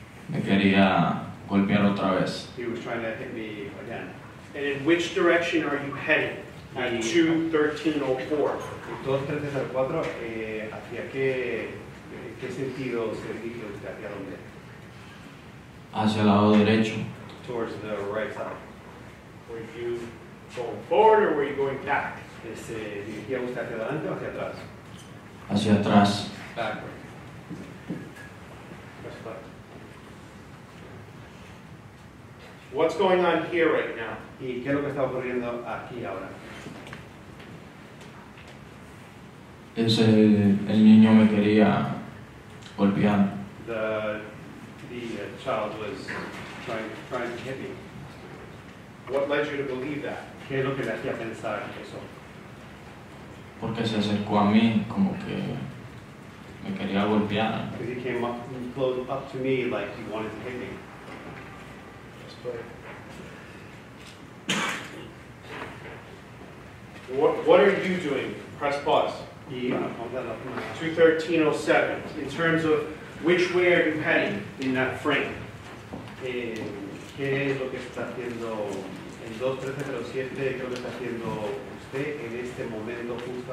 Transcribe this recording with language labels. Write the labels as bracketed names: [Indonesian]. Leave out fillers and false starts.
[Spanish] Me quería golpear otra vez. [English] He was trying to hit me again. And in which direction are you heading? At 2:13:04. [Spanish] 2:13:04. Hacia qué sentido se dirige usted, hacia dónde? Hacia el lado derecho. [English] Towards the right side. Were you going forward or were you going back? [Spanish] ¿Se dirigía usted hacia adelante o hacia atrás? Hacia atrás. [English] Backward. What's going on here right now? [Spanish] ¿Y qué es lo que está ocurriendo aquí ahora? Ese, el niño me quería golpear. [English] The child was trying to hit me. What led you to believe that? [Spanish] ¿Qué es lo que le hacía pensar eso? Porque se acercó a mí como que me quería golpear. [English] Because he came up to me like he wanted to hit me. What are you doing? Press pause. 2:13:07. In terms of which way are you heading in that frame? [Spanish] ¿Qué es lo que está haciendo en 2:13:07? ¿Qué es lo que está haciendo usted en este momento justo?